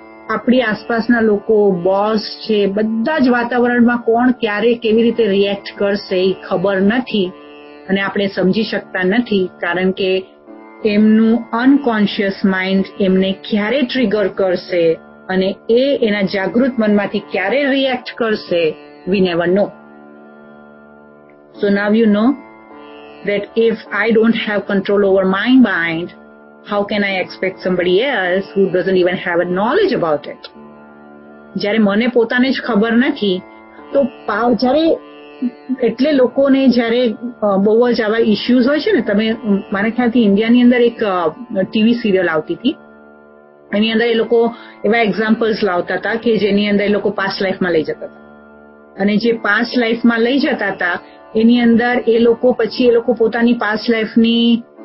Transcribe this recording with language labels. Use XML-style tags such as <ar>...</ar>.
<gu>આપણી આસપાસના લોકો, બોસ છે, બધા જ વાતાવરણમાં કોણ ક્યારે કેવી રીતે રિએક્ટ કરશે એ ખબર નથી અને આપણે સમજી શકતા નથી, કારણ કે એમનું અનકોન્શિયસ માઇન્ડ એમને ક્યારે ટ્રિગર કરશે અને એના જાગૃત મનમાંથી ક્યારે રિએક્ટ કરશે</gu> <en>We never know. So now you know that if I don't have control over my mind, how can I expect somebody else who doesn't even have a knowledge about it?</en> <gu>જ્યારે મને પોતાને જ ખબર નથી તો જ્યારે, એટલે લોકોને જ્યારે બહુ જ આવા ઇશ્યુઝ હોય છે ને, તમે મારા ખ્યાલથી ઇન્ડિયાની અંદર એક ટીવી સિરિયલ આવતી હતી, એની અંદર એ લોકો એવા એક્ઝામ્પલ્સ લાવતા હતા કે જેની અંદર એ લોકો પાસ્ટ લાઈફમાં લઈ જતા હતા અને જે પાસ્ટ લાઈફમાં લઈ જતા હતા એની અંદર એ લોકો પછી એ લોકો પોતાની પાસ્ટ લાઈફની</gu>